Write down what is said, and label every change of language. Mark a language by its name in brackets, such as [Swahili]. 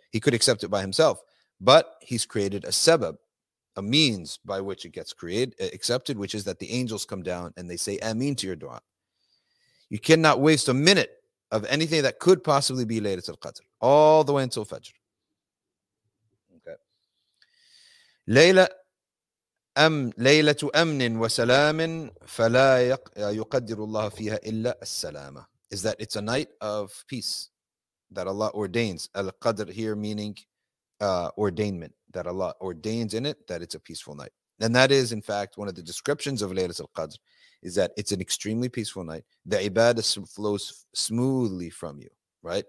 [English] He could accept it by himself, but he's created a sabab, a means by which it gets created, accepted, which is that the angels come down and they say ameen to your dua. You cannot waste a minute of anything that could possibly be Laylatul Qadr, all the way until Fajr. Okay. [Arabic] Layla, ليلة أمن وسلام فلا يقدر الله فيها إلا السلامة. [English] Is that it's a night of peace that Allah ordains. Al-Qadr here meaning ordainment, that Allah ordains in it that it's a peaceful night. And that is, in fact, one of the descriptions of Laylatul Qadr, is that it's an extremely peaceful night. The ibadah flows smoothly from you, right?